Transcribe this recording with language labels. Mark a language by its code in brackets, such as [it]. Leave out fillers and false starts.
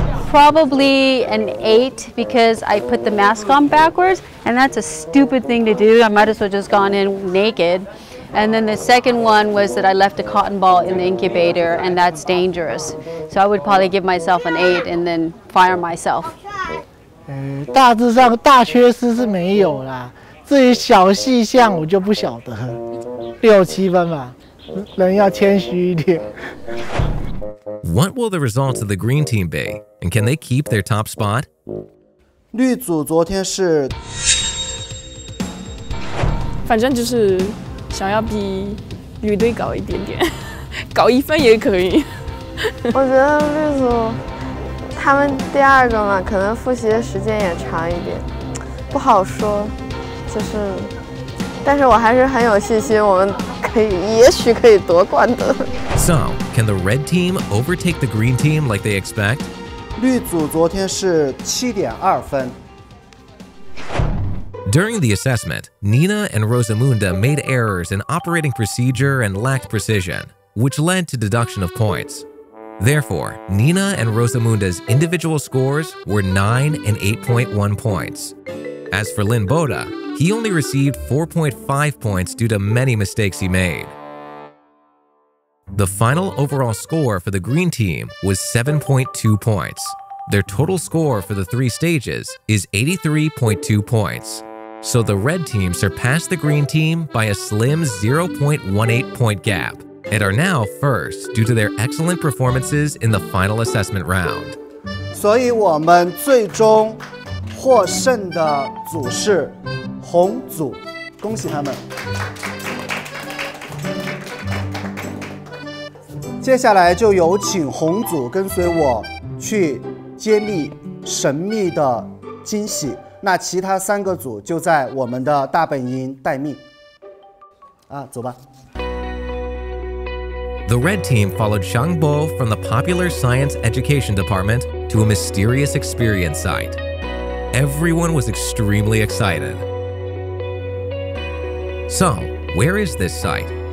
[en] probably an 8 because I put the mask on backwards, and that's a stupid thing to do. I might as well just gone in naked. And then the second one was that I left a cotton ball in the incubator, and that's dangerous. So I would probably give myself an 8 and then fire myself. [zh] 大致上大缺失是没有啦，至于小细项我就不晓得，六七分吧，人要谦虚一点。 [en] What will the results of the green team be, and can they keep their top spot? [zh] 绿组昨天是，反正就是想要比绿队高一点点，高一分也可以。我觉得绿组。他们第二个嘛，可能复习的时间也长一点，不好说，就是，但是我还是很有信心，我们可以，也许可以夺冠的。 [en] So, can the red team overtake the green team like they expect? [zh] 绿组昨天是7.2分。 [en] During the assessment, Nina and Rosamunda made errors in operating procedure and lacked precision, which led to deduction of points. Therefore, Nina and Rosamunda's individual scores were 9 and 8.1 points. As for Lin Boda, he only received 4.5 points due to many mistakes he made. The final overall score for the green team was 7.2 points. Their total score for the three stages is 83.2 points. So the red team surpassed the green team by a slim 0.18 point gap. And are now first due to their excellent performances in the final assessment round. [zh] 所以我们最终获胜的组是红组，恭喜他们。接下来就有请红组跟随我去揭秘神秘的惊喜。那其他三个组就在我们的大本营待命。啊，走吧。 [en] The red team followed Shang Bo from the Popular Science Education Department to a mysterious experience site. Everyone was extremely excited. So, where is this site?